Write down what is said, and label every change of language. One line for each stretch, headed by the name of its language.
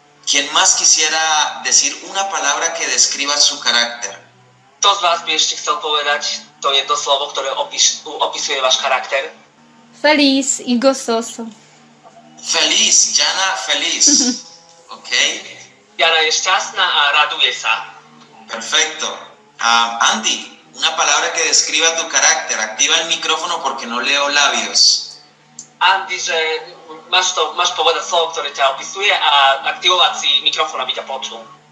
Spanish: ¿Quién más quisiera decir una palabra que describa su carácter?
Slovak: Kto z vás by ešte chcel povedať to jedno slovo, ktoré opisuje váš charakter?
Spanish: Feliz y gozoso. Feliz, Jana, feliz. Ok.
Slovak: Jana je šťastná a raduje sa.
Spanish: Perfecto. Andy, una palabra que describa tu carácter. Activa el micrófono porque no leo labios.
Slovak: Andy, že máš povedať slovo, ktoré ťa opisuje a aktivovať si mikrofón, aby ťa počul.